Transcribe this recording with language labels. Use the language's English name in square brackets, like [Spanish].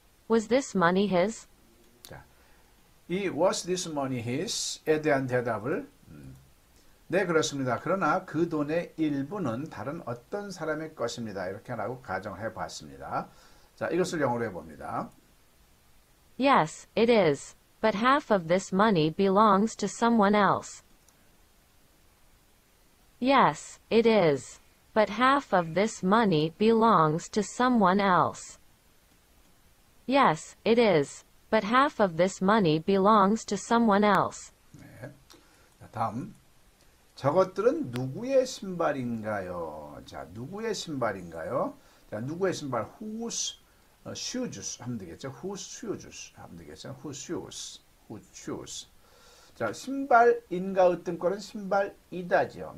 [English] Was this money his? [Korean] 이 [English] was this money his? [Korean] 에 대한 대답을 네, 그렇습니다. 그러나 그 돈의 일부는 다른 어떤 사람의 것입니다. 이렇게 하라고 가정해 봤습니다. 자, 이것을 영어로 해 봅니다. [English] Yes, it is. But half of this money belongs to someone else. Yes, it is. But half of this money belongs to someone else. Yes, it is. But half of this money belongs to someone else. [Korean] 다음, 저것들은 누구의 신발인가요? 자, 누구의 신발인가요? 자, 누구의 신발? [English] Whose shoes [Korean] 하면 되겠죠? Whose shoes 하면 되겠죠? Whose shoes? Whose shoes? 자, 신발인가 으뜸 거는 신발이다죠.